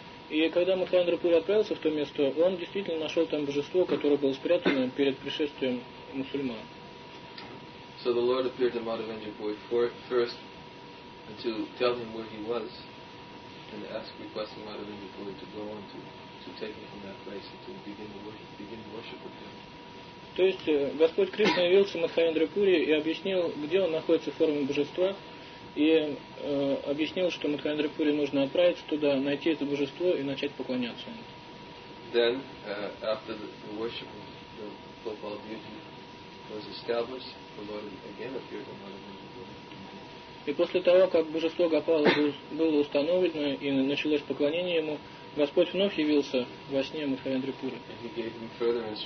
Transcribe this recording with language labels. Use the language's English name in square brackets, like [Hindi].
[Russian] И когда Мадхава Чандрапури отправился в то место, он действительно нашел там божество, которое было спрятано перед пришествием мусульман. [English] So the Lord appeared to Madhava Chandrapuri first to tell him where he was. And ask requesting Madhava Chandrapuri to go on to take him from that place and to begin worship with him. [Russian] То есть Господь Кришна явился Мадхава Чандрапури и объяснил, где он находится в форме божества, и объяснил, что Мадхава Чандрапури нужно отправиться туда, найти это божество и начать поклоняться ему. [English] Then, after the worship of the so-called deity was established, the Lord again appeared to Madhava Chandrapuri. [Russian] И после того, как божество Гопала было установлено и началось поклонение ему, Господь вновь явился во сне Мадхава Чандрапури.